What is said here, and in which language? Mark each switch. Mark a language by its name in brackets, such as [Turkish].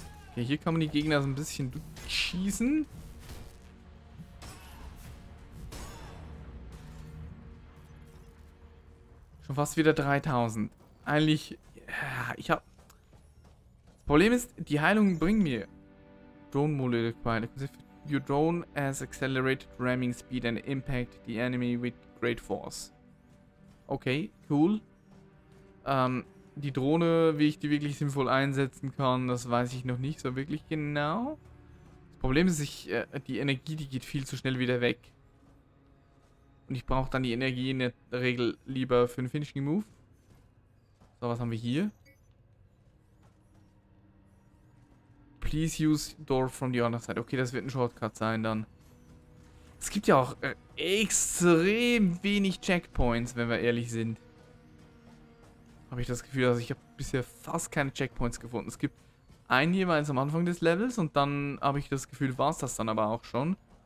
[German] Okay, hier kann man die Gegner so ein bisschen schießen. Und fast wieder 3000. Eigentlich, ja, ich hab... Das Problem ist, die Heilungen bringen mir... [English] Drone Module required. Your drone has accelerated ramming speed and impact the enemy with great force. Okay, cool. [German] Die Drohne, wie ich die wirklich sinnvoll einsetzen kann, das weiß ich noch nicht so wirklich genau. Das Problem ist, die Energie, die geht viel zu schnell wieder weg. Und ich brauche dann die Energie in der Regel lieber für einen Finishing Move. So, was haben wir hier? [English] Please use door from the other side. [German] Okay, das wird ein Shortcut sein dann. Es gibt ja auch extrem wenig Checkpoints, wenn wir ehrlich sind. Habe ich das Gefühl, also ich habe bisher fast keine Checkpoints gefunden. Es gibt einen jeweils am Anfang des Levels und dann habe ich das Gefühl, war es das dann aber auch schon.